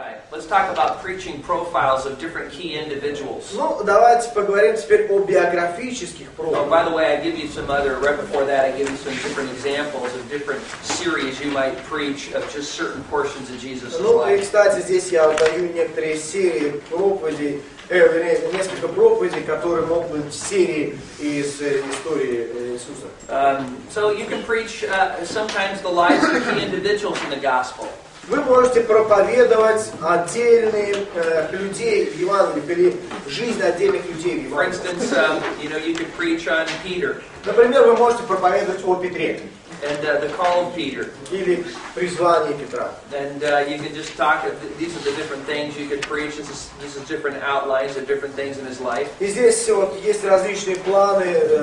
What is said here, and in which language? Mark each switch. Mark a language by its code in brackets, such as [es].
[en] let's talk about preaching profiles of different key individuals. [ru] Ну, давайте поговорим теперь о биографических профилях. [en] Oh, by the way, I give you some other, right before that, I give you some different examples of different series you might preach of just certain portions of Jesus' life. [ru] Ну, и, кстати, здесь я даю некоторые серии проповедей, несколько проповедей, которые могут быть в серии из истории Иисуса. [en] So you can preach sometimes the lives of key individuals in the gospel. [ru] Вы можете проповедовать отдельные людей в Евангелии или жизнь отдельных людей в Евангелии. [en] For instance, you know, you could preach on Peter. [ru] Например, вы можете проповедовать о Петре. [en] And the call of Peter. [ru] Или призвание Петра. [en] And you could just talk. These are the different things you could preach. This is different outlines of different things in his life. [ru] И здесь вот есть различные планы.